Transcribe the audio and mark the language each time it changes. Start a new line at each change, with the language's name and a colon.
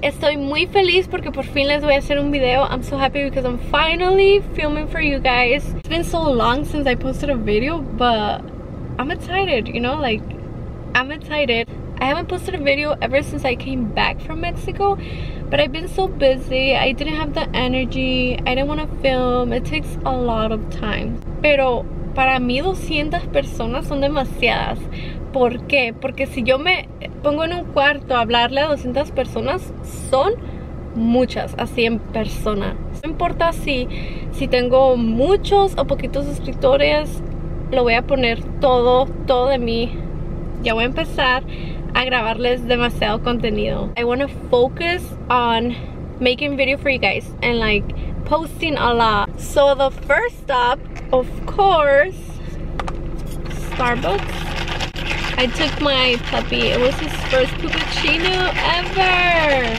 Spanish: Estoy muy feliz porque por fin les voy a hacer un video.
English: I'm so happy because I'm finally filming for you guys. It's been so long since I posted a video, but I'm excited, you know, like I'm excited. I haven't posted a video ever since I came back from Mexico, but I've been so busy. I didn't have the energy. I didn't want to film. It takes a lot of time.
Spanish: Pero para mí 200 personas son demasiadas. ¿Por qué? Porque si yo me pongo en un cuarto a hablarle a 200 personas, son muchas, así en persona. No importa si tengo muchos o poquitos suscriptores, lo voy a poner todo, todo de mí. Ya voy a empezar a grabarles demasiado contenido.
English: I want to focus on making video for you guys and like posting a lot. So the first stop, of course, Starbucks. I took my puppy. It was his first puppuccino ever.